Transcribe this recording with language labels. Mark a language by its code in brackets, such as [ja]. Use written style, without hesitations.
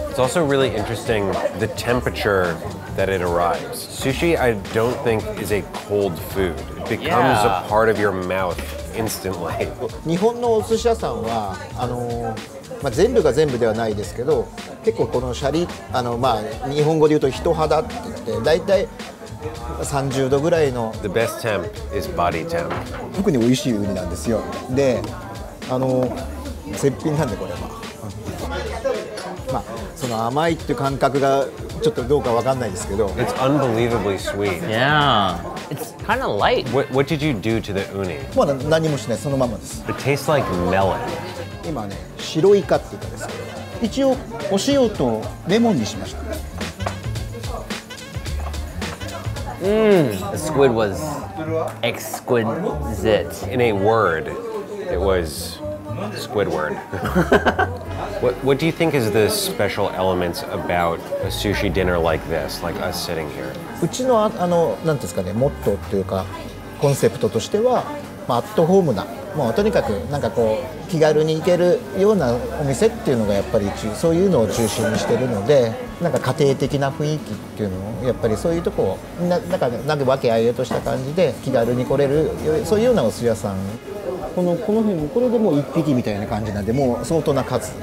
[en] It's also really interesting the temperature that it arrives. Sushi, I don't think, is a cold food. It becomes a part of your mouth instantly. [ja] 日本のお寿司屋さんは、全部が全部ではないですけど、結構このシャリ、日本語で言うと人肌って言って、大体 30度ぐらいの [en] The best temp is body temp. [ja] 特に美味しいウニなんですよ。で、絶品なんでこれは。その甘いって感覚がちょっとどうかわかんないですけど。 [en] It's unbelievably sweet. Yeah. It's kind of light. What did you do to the uni? [ja] まあ何もしない、そのままです。 [en] It tastes like melon. [ja] 今ね、白イカっていうかですけど、一応お塩とレモンにしました。 [en] Mmm, the squid was exquisite. In a word, it was Squidward. what do you think is the special elements about a sushi dinner like this, like us sitting here? [ja] うちの、あの、なんですかね、モットーというか、コンセプトとしては、まあ、アットホームな、まあ、とにかく、なんかこう、気軽に行けるようなお店っていうのがやっぱり、そういうのを中心にしてるので、なんか家庭的な雰囲気っていうのをやっぱりそういうとこをなんか分けあいえとした感じで気軽に来れるそういうようなお寿司屋さん、この辺もこれでもう一匹みたいな感じなんで、もう相当な数。